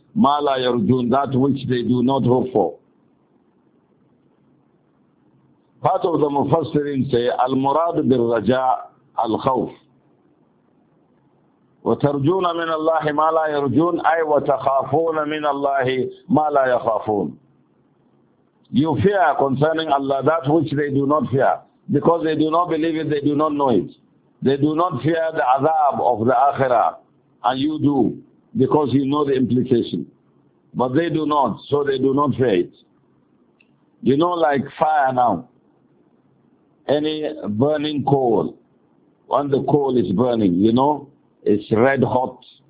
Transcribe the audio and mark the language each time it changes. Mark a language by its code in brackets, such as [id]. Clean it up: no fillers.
[ar] ما لا يرجون, [en] that which they do not hope for. Part of the Mufassirin say, [ar] المراد بالرجاء الخوف. وترجون من الله ما لا يرجون أي وتخافون من الله ما لا يخافون. [en] You fear concerning Allah that which they do not fear, because they do not believe it, they do not know it. They do not fear the azab of the akhirah, and you do, because you know the implication. But they do not, so they do not fear it. You know, like fire now, any burning coal, when the coal is burning, you know, it's red hot.